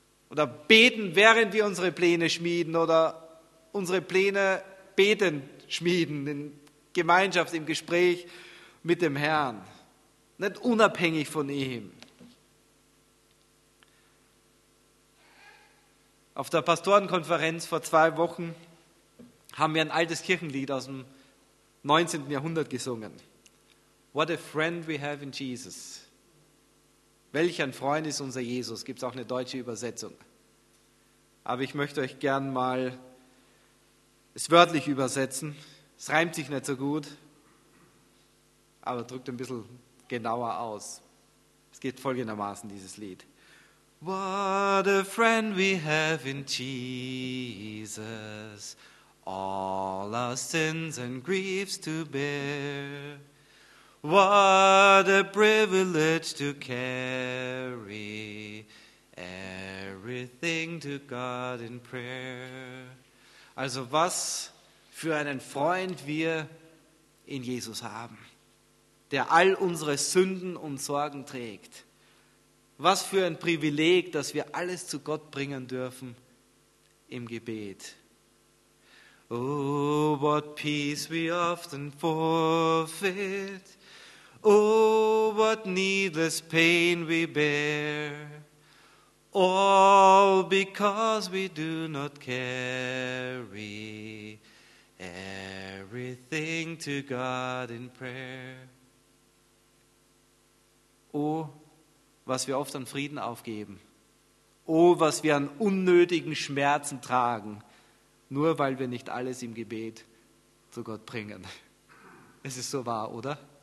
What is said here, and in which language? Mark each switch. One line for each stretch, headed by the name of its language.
German: Oder beten, während wir unsere Pläne schmieden oder unsere Pläne betend schmieden, in Gemeinschaft, im Gespräch mit dem Herrn. Nicht unabhängig von ihm. Auf der Pastorenkonferenz vor 2 Wochen haben wir ein altes Kirchenlied aus dem 19. Jahrhundert gesungen.
English: What a friend we have in Jesus.
German: Welch ein Freund ist unser Jesus. Gibt es auch eine deutsche Übersetzung. Aber ich möchte euch gern mal es wörtlich übersetzen. Es reimt sich nicht so gut, aber drückt ein bisschen genauer aus. Es geht folgendermaßen, dieses Lied.
English: What a friend we have in Jesus, all our sins and griefs to bear. What a privilege to carry everything to God in prayer.
German: Also was für einen Freund wir in Jesus haben, der all unsere Sünden und Sorgen trägt. Was für ein Privileg, dass wir alles zu Gott bringen dürfen im Gebet.
English: Oh, what peace we often forfeit. Oh, what needless pain we bear. All because we do not carry everything to God in prayer.
German: Oh, was wir oft an Frieden aufgeben. Oh, was wir an unnötigen Schmerzen tragen, nur weil wir nicht alles im Gebet zu Gott bringen. Es ist so wahr, oder?